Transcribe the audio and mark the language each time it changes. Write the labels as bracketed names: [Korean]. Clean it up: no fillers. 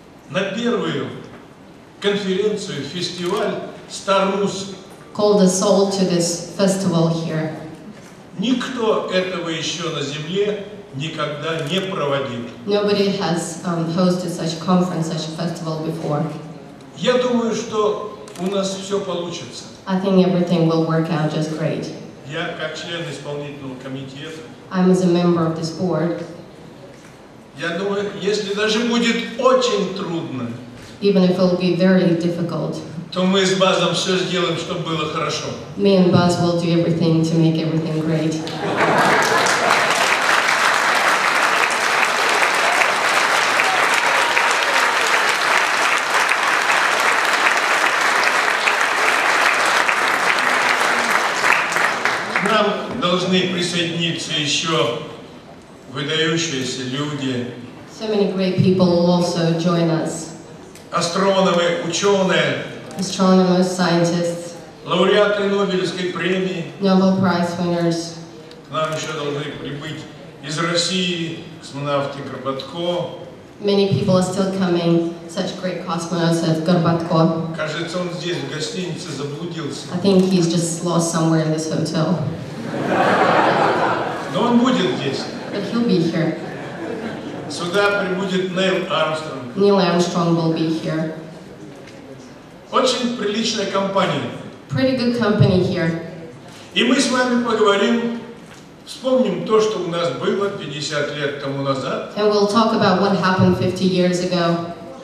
[Russian] на первую конференцию, фестиваль Starmus [English] called us all to this festival here. [Russian] Никто этого еще на Земле никогда не проводил. [English] Nobody has hosted such a conference, such a festival before. [Russian] Я думаю, что у нас все получится. [English] I think everything will work out just great. [Russian] Я как член исполнительного комитета. [English] I'm as a member of this board. [Russian] Я думаю, если даже будет очень трудно. [English] Even if it will be very difficult, [Russian] то мы с Базом все сделаем, чтобы было хорошо. [English] Me and Buzz will do everything to make everything great. [Russian] Нам должны присоединиться еще выдающиеся люди. [English] So many great people will also join us. [Russian] Астрономы, ученые, [English] astronomers, scientists, [Russian] лауреаты Нобелевской премии, [English] Nobel Prize winners, [Russian] к нам еще должны прибыть из России космонавты Горбатко. [English] Many people are still coming, such great cosmonauts as Горбатко. [Russian] Кажется, он здесь в гостинице заблудился. [English] I think he's just lost somewhere in this hotel. [Russian] Но он будет здесь. [English] But he'll be here. [Russian] Сюда прибудет Нейл Армстронг. [English] Neil Armstrong will be here. [Russian] Очень приличная компания. [English] Pretty good company here. [Russian] И мы с вами поговорим, вспомним то, что у нас было 50 лет тому назад. [English] And we'll talk about what happened 50 years ago.